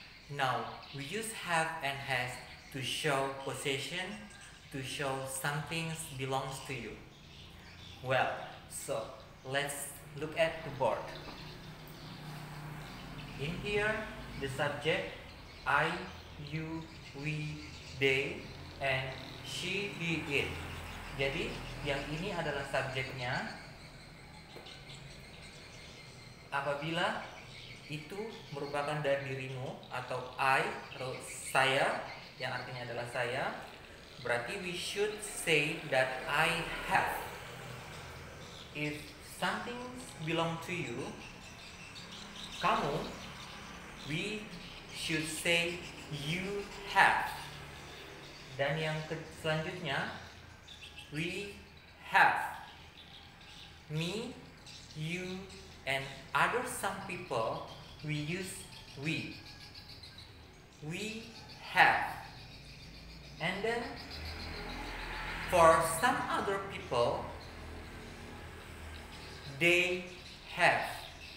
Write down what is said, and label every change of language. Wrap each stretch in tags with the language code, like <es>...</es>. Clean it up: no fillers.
<en>Now, we use have and has to show possession, to show something belongs to you. Well, so let's look at the board. In here, the subject I, you, we, they, and she, he, it.</en> <id>Jadi, yang ini adalah subjeknya. Apabila itu merupakan dari dirimu atau I, atau saya, yang artinya adalah saya, berarti</id> <en>we should say that I have. If something belong to you, kamu, we should say you have.</en> <id>Dan yang selanjutnya,</id> <en>we have. Me, you, and other some people, we use we. We have. And then, for some other people, they have.</en>